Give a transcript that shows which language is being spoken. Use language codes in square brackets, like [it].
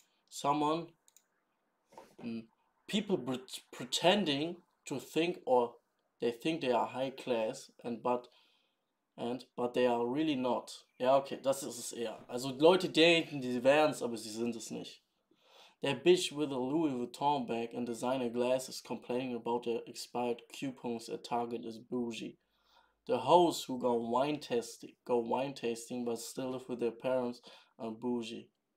[en] Someone, people pretending to think or they think they are high class but they are really not. [de] Ja, okay, das ist es eher. Also Leute denken, die wären es, aber sie sind es nicht. [en] That bitch with a Louis Vuitton bag and designer glasses complaining about the expired coupons at Target is bougie. The hoes who go wine tasting but still live with their parents are bougie.